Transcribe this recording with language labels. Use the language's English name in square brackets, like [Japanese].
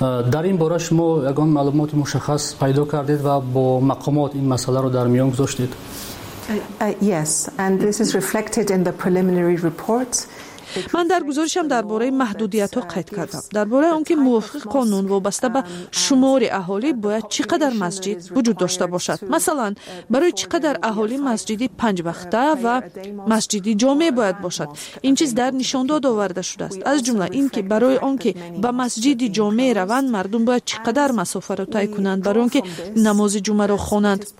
[Persian] در این باره شما یکان معلومات مشخص پیدا کردید و با مقامات این مسئله رو در میان گذاشتید؟ [English] Yes, and this is reflected in the preliminary report. [Persian] من در گزارشم درباره محدودیت ها قید کردم، درباره آنکه موافق قانون وابسته به شمار اهالی باید چقدر مسجد وجود داشته باشد. مثلا برای چقدر اهالی مسجدی پنج وقته و مسجدی جامع باید باشد. این چیز در نشان داد آورده شده است، از جمله اینکه برای آنکه به مسجدی جامع روند مردم باید چقدر مسافه را طی کنند برای آنکه نماز جمعه را خوانند.